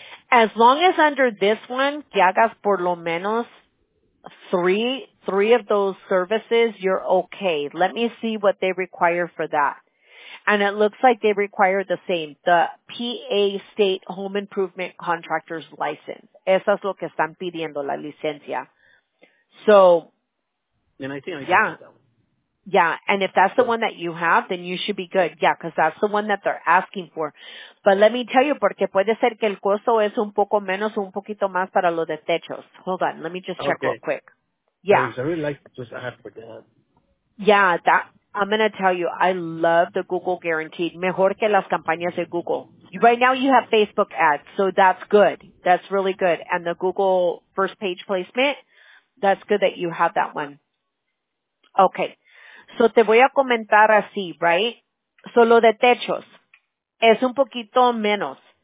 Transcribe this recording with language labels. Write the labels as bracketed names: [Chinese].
[English] As long as under this one, [Spanish] que hagas por lo menos [English] three of those services, you're okay. Let me see what they require for that. And it looks like they require the same, the PA State Home Improvement Contractor's License. [Spanish] Eso es lo que están pidiendo, la licencia. [English] So, and I think I yeah. that one. Yeah, and if that's the one that you have, then you should be good. Yeah, because that's the one that they're asking for. But let me tell you, [Spanish] porque puede ser que el costo es un poco menos o un poquito más para lo de techos. [English] Hold on, let me just check okay. real quick. Yeah. I really like to just ask for that. Yeah, that, I'm going to tell you, I love the Google Guaranteed. [Spanish] Mejor que las campañas de Google. [English] Right now you have Facebook ads, so that's good. That's really good. And the Google first page placement, that's good that you have that one. Okay. So [Spanish] te voy a comentar así, [English] right? [Spanish] So lo de techos es un poquito menos.